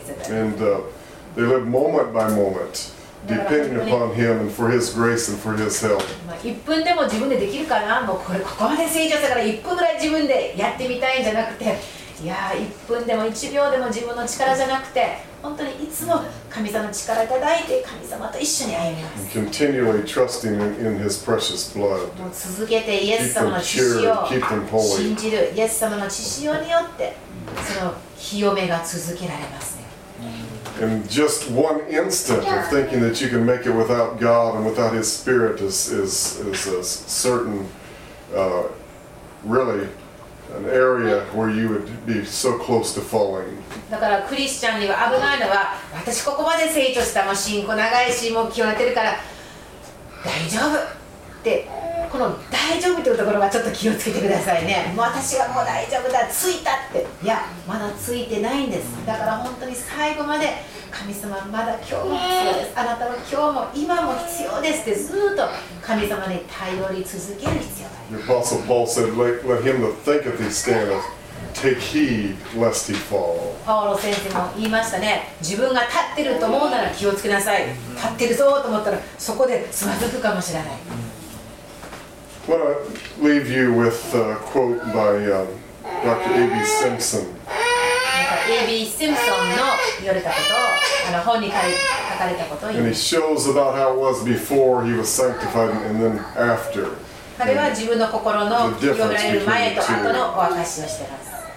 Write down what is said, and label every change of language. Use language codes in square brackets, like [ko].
[en] And they live moment by moment. Depending upon him and for his grace and for his help. [ja] 1分でも自分でできるかな、もうこれここまで成長したから1分ぐらい自分でやってみたいんじゃなくて、いや1分でも1秒でも自分の力じゃなくて、本当にいつも神様の力いただいて神様と一緒に歩みます。 [en] Continually trusting in his precious blood. [ja] 続けてイエス様の血を信じる、イエス様の血潮によってその清めが続けられますね。 [en] And just one instant of thinking that you can make it without God and without His Spirit is a certain, really, an area where you would be so close to falling. [ja] だからクリスチャンには危ないのは、私ここまで成長した、もう信仰長いし、もう清れてるから大丈夫って、この大丈夫というところはちょっと気をつけてくださいね。もう私はもう大丈夫だ、ついたって、いやまだついてないんです。だから本当に最後まで神様、まだ今日も必要です、あなたは今日も今も必要ですって、ずっと神様に頼り続ける必要がある。 [en] The Apostle Paul said, let him that thinketh he standeth take heed lest he fall. [ja] パウロ先生も言いましたね、自分が立ってると思うなら気をつけなさい、立ってるぞと思ったらそこでつまずくかもしれない。 [en] I want to leave you with a quote by Dr. A.B. Simpson. A.B. [ja] Simpson の言われたこと、あの本に書かれたことを言う。 [en] And he shows about how it was before he was sanctified and then after. [ja] 彼は自分の心の清められる前と後のお証しをしています。